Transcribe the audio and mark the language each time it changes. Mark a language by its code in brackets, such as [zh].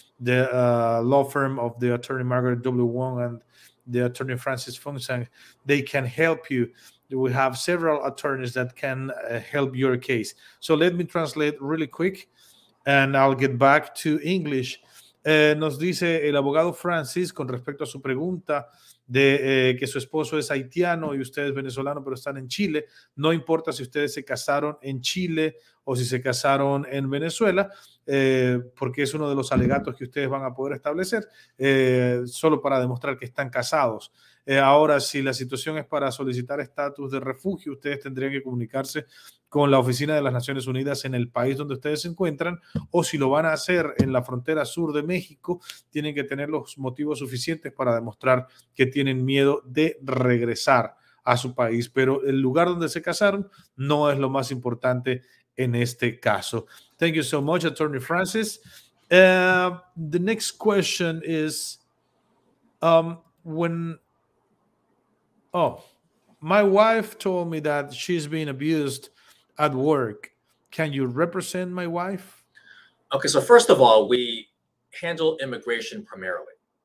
[en] The law firm of the attorney Margaret W. Wong and the attorney Francis Fung Sang, they can help you. We have several attorneys that can help your case. So let me translate really quick and I'll get back to English. [es] Nos dice el abogado Francis con respecto a su pregunta de que su esposo es haitiano y usted es venezolano, pero están en Chile. No importa si ustedes se casaron en Chile o si se casaron en Venezuela, porque es uno de los alegatos que ustedes van a poder establecer, solo para demostrar que están casados. Ahora, si la situación es para solicitar estatus de refugio, ustedes tendrían que comunicarse con la Oficina de las Naciones Unidas en el país donde ustedes se encuentran, o si lo van a hacer en la frontera sur de México, tienen que tener los motivos suficientes para demostrar que tienen miedo de regresar a su país. Pero el lugar donde se casaron no es lo más importante en este caso. [en] Thank you so much, Attorney Francis. The next question is, my wife told me that she's being abused at work. Can you represent my wife? Okay, so first of all, we handle immigration primarily.